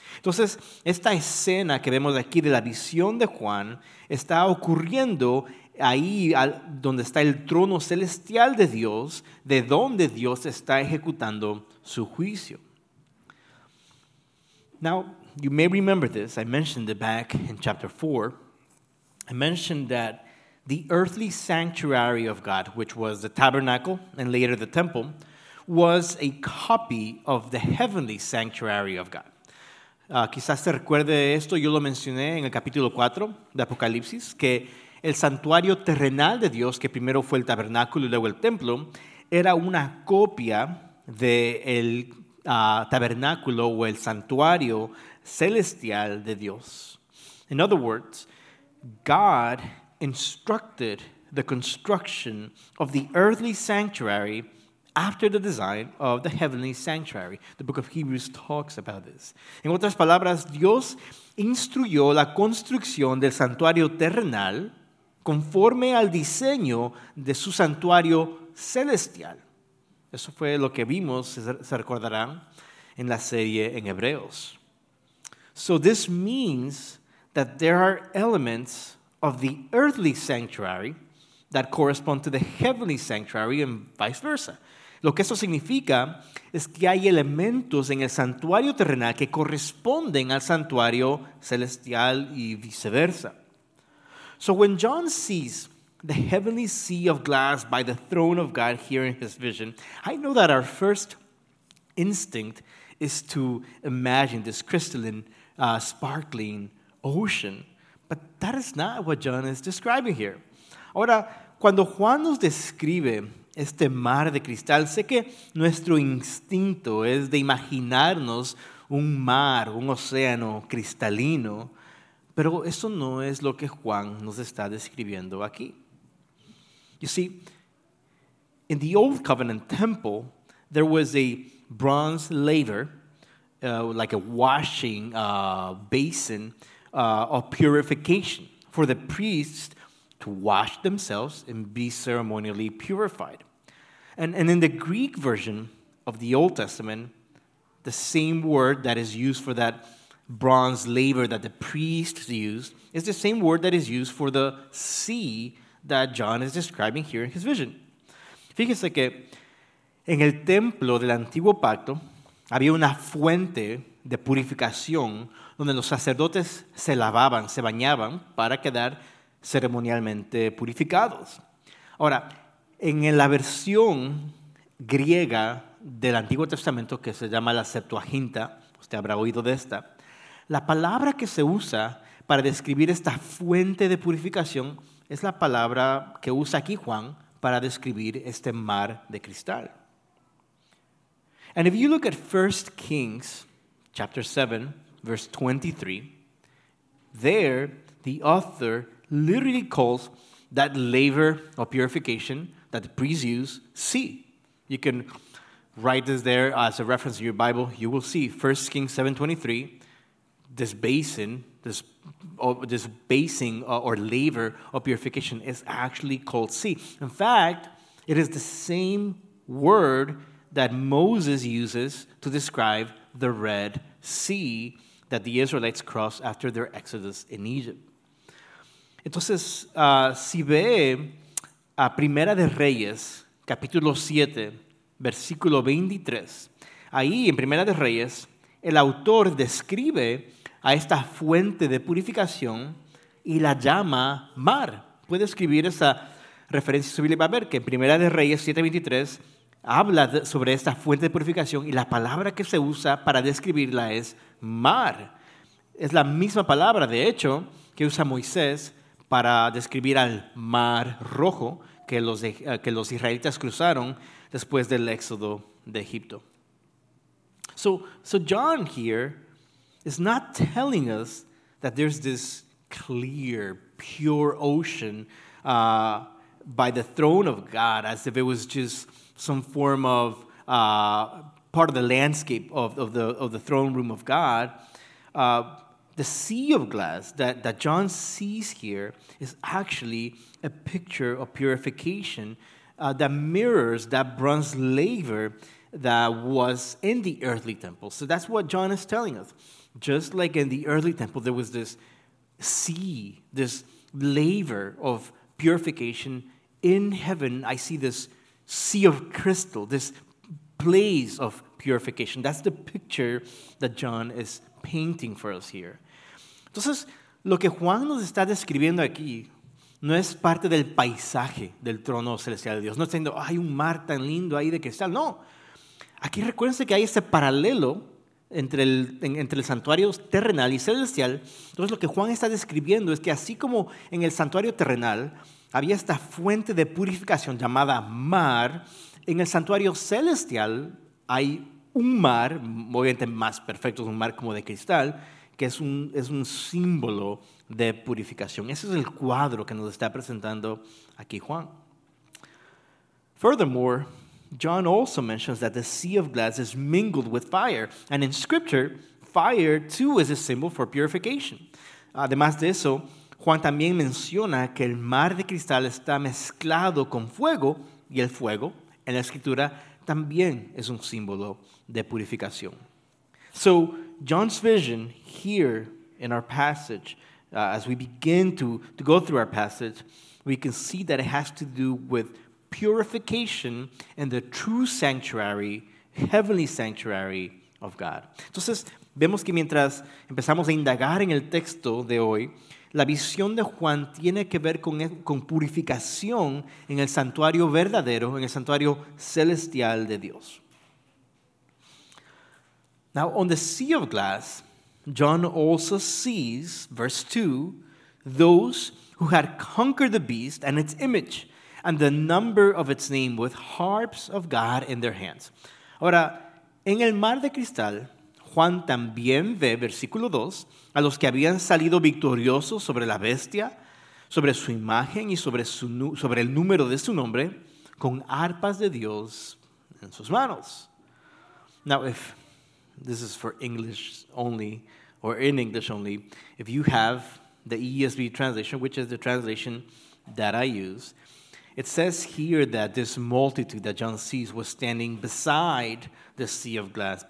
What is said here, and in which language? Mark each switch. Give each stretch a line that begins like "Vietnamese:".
Spanish: Entonces, esta escena que vemos aquí de la visión de Juan está ocurriendo ahí donde está el trono celestial de Dios, de donde Dios está ejecutando su juicio.
English: Now, you may remember this. I mentioned it back in chapter 4. I mentioned that the earthly sanctuary of God, which was the tabernacle and later the temple, was a copy of the heavenly sanctuary of God.
Spanish: Quizás se recuerde esto, yo lo mencioné en el capítulo 4 de Apocalipsis, que el santuario terrenal de Dios, que primero fue el tabernáculo y luego el templo, era una copia del tabernáculo o el santuario celestial de Dios.
English: In other words, God instructed the construction of the earthly sanctuary after the design of the heavenly sanctuary. The book of Hebrews talks about this.
Spanish: En otras palabras, Dios instruyó la construcción del santuario terrenal conforme al diseño de su santuario celestial. Eso fue lo que vimos, se recordarán, en la serie en Hebreos.
English: So this means that there are elements of the earthly sanctuary that correspond to the heavenly sanctuary and vice versa.
Spanish: Lo que eso significa es que hay elementos en el santuario terrenal que corresponden al santuario celestial y viceversa.
English: So when John sees the heavenly sea of glass by the throne of God here in his vision, I know that our first instinct is to imagine this crystalline, sparkling ocean. But that is not what John is describing here.
Spanish: Ahora, cuando Juan nos describe este mar de cristal, sé que nuestro instinto es de imaginarnos un mar, un océano cristalino, pero eso no es lo que Juan nos está describiendo aquí.
English: You see, in the Old Covenant temple, there was a bronze laver, like a washing basin of purification for the priests to wash themselves and be ceremonially purified. And in the Greek version of the Old Testament, the same word that is used for that bronze laver that the priests used is the same word that is used for the sea that John is describing here in his vision.
Spanish: Fíjense que en el templo del Antiguo Pacto había una fuente de purificación donde los sacerdotes se lavaban, se bañaban para quedar ceremonialmente purificados. Ahora, en la versión griega del Antiguo Testamento que se llama la Septuaginta, usted habrá oído de esta, la palabra que se usa para describir esta fuente de purificación es la palabra que usa aquí Juan para describir este mar de cristal.
English: And if you look at 1 Kings chapter 7, verse 23, there the author literally calls that laver of purification that the priests use sea. You can write this there as a reference in your Bible. You will see 1 Kings 7:23, this basin, this this basing or layer of purification is actually called sea. In fact, it is the same word that Moses uses to describe the Red Sea that the Israelites crossed after their exodus in Egypt.
Spanish: Entonces, si ve a Primera de Reyes, capítulo 7, versículo 23, ahí en Primera de Reyes, el autor describe a esta fuente de purificación y la llama mar. Puede escribir esa referencia su Biblia, va a ver que en Primera de Reyes 7:23 habla sobre esta fuente de purificación y la palabra que se usa para describirla es mar. Es la misma palabra, de hecho, que usa Moisés para describir al mar rojo que los israelitas cruzaron después del éxodo de Egipto.
English: So John here is not telling us that there's this clear, pure ocean by the throne of God, as if it was just some form of part of the landscape of the throne room of God. The sea of glass that John sees here is actually a picture of purification that mirrors that bronze laver that was in the earthly temple. So that's what John is telling us. Just like in the early temple, there was this sea, this laver of purification in heaven. I see this sea of crystal, this place of purification. That's the picture that John is painting for us here.
Spanish: Entonces, lo que Juan nos está describiendo aquí no es parte del paisaje del trono celestial de Dios. No está diciendo, hay un mar tan lindo ahí de cristal. No. Aquí recuérdense que hay este paralelo entre el santuario terrenal y celestial. Entonces, lo que Juan está describiendo es que así como en el santuario terrenal había esta fuente de purificación llamada mar, en el santuario celestial hay un mar, obviamente más perfecto, es un mar como de cristal, que es un símbolo de purificación. Ese es el cuadro que nos está presentando aquí Juan.
English: Furthermore, John also mentions that the sea of glass is mingled with fire. And in Scripture, fire too is a symbol for purification.
Spanish: Además de eso, Juan también menciona que el mar de cristal está mezclado con fuego, y el fuego en la Escritura también es un símbolo de purificación.
English: So, John's vision here in our passage, as we begin to go through our passage, we can see that it has to do with purification and the true sanctuary, heavenly sanctuary of God.
Spanish: Entonces, vemos que mientras empezamos a indagar en el texto de hoy, la visión de Juan tiene que ver con purificación en el santuario verdadero, en el santuario celestial de Dios.
English: Now, on the sea of glass, John also sees, verse 2, those who had conquered the beast and its image, and the number of its name with harps of God in their hands.
Spanish: Ahora, en el mar de cristal, Juan también ve, versículo 2, a los que habían salido victoriosos sobre la bestia, sobre su imagen y sobre el número de su nombre, con arpas de Dios en sus manos.
English: Now, if this is for English only, or in English only, if you have the ESV translation, which is the translation that I use, it says here that this multitude that John sees was standing beside the sea of glass.